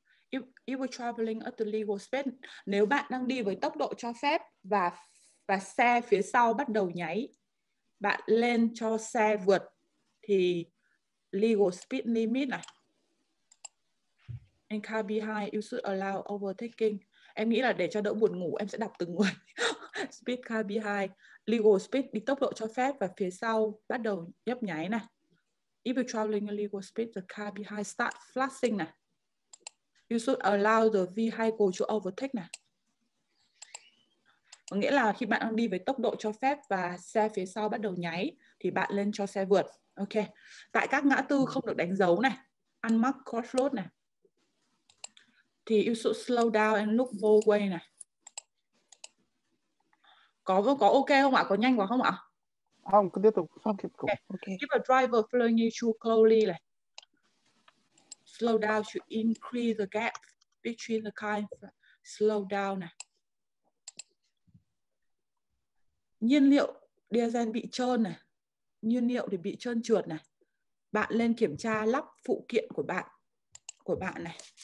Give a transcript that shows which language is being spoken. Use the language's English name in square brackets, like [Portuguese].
[English] You were traveling at the legal speed. [Vietnamese] Nếu bạn đang đi với tốc độ cho phép và xe phía sau bắt đầu nháy, bạn lên cho xe vượt thì [English] legal speed limit [Vietnamese] này. [English] And car behind, you should allow overtaking. [Vietnamese] Em nghĩ là để cho đỡ buồn ngủ, em sẽ đọc từng người. [English] Speed car behind, legal speed [Vietnamese] đi tốc độ cho phép và phía sau bắt đầu nhấp nháy này. [English] If you're traveling at legal speed, the car behind start flashing này. You should allow the vehicle to overtake này. [Vietnamese] Có nghĩa là khi bạn đang đi với tốc độ cho phép và xe phía sau bắt đầu nháy thì bạn lên cho xe vượt. Ok. Tại các ngã tư không được đánh dấu này. [English] Unmarked crossroad [Vietnamese] này. [English] thì you should slow down and look both way này. [Vietnamese] Có ok không ạ? Có nhanh quá không ạ? Không, cứ tiếp tục. Không, tiếp tục. [English] Okay. Okay. If a driver following you too closely này. Slow down to increase the gap between the car and slow down này. [Vietnamese] Nhiên liệu diesel bị trơn này. Nhiên liệu thì bị trơn trượt này. Bạn lên kiểm tra lắp phụ kiện của bạn. Của bạn này.